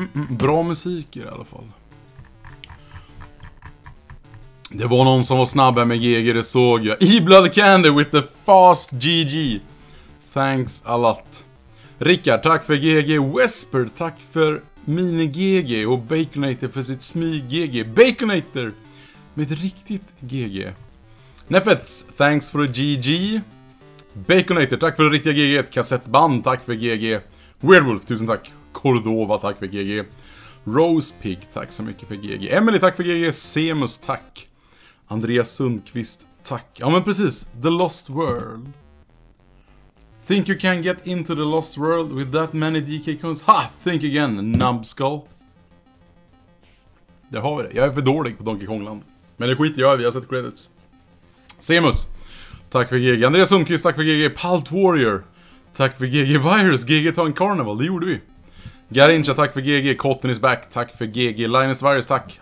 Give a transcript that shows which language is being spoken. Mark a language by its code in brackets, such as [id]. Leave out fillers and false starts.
[sv] Bra musik i alla fall. Det var någon som var snabb med GG, det såg jag. [en] Iblad Candy with the fast GG. Thanks a lot. [sv] Rickard, tack för GG. Wesper, tack för mini GG. Och Baconator för sitt smyg GG. Baconator med ett riktigt GG. Neffets, [en] thanks for a GG. [sv] Baconator, tack för det riktiga GG. Ett kassettband, tack för GG. Weirdwolf, tusen tack. Cordova, tack för GG. Rosepig, tack så mycket för GG. Emily, tack för GG. Semus, tack. Andreas Sundqvist, tack. Ja, men precis. [en] The Lost World. Think you can get into the Lost World with that many DK coins? Ha! Think again, numbskull. [sv] Där har vi det. Jag är för dålig på Donkey Kongland. Men det skiter jag i, vi har sett credits. Semus, tack för GG. Andreas Sundqvist, tack för GG. Palt Warrior, tack för GG. Virus, GG ta en carnival, det gjorde vi. Garincha, tack för GG. Cotton is back, tack för GG. Linus Virus, tack.